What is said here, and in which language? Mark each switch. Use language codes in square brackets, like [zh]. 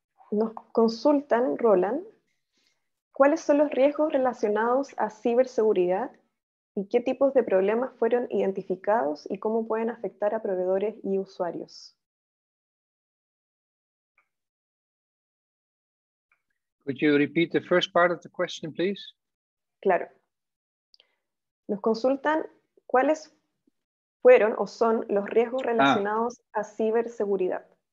[es] Nos consultan, Roland, ¿cuáles son los riesgos relacionados a ciberseguridad y qué tipos de problemas fueron identificados y cómo pueden afectar a proveedores y usuarios? [en] Could you repeat the first part of the question, please? [es] Claro. Nos consultan cuáles fueron o son los riesgos relacionados a ciberseguridad.